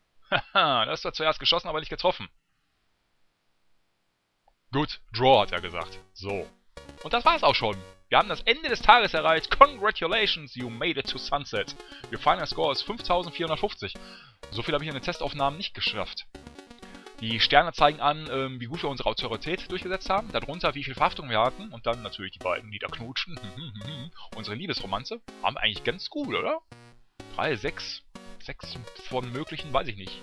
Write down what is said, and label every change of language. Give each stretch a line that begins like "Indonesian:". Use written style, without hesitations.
German: Haha, das war zuerst geschossen, aber nicht getroffen.
English: Good draw,
German: hat er gesagt. So. Und das war's auch schon. Wir haben das Ende des Tages erreicht.
English: Congratulations, you made it to sunset. Your final score is 5450.
German: So viel habe ich in den Testaufnahmen nicht geschafft. Die Sterne zeigen an, wie gut wir unsere Autorität durchgesetzt haben. Darunter, wie viel Verhaftung wir hatten. Und dann natürlich die beiden niederknutschen. Unsere Liebesromanze. Haben eigentlich ganz cool, oder? 3, 6. 6 von möglichen, weiß ich nicht.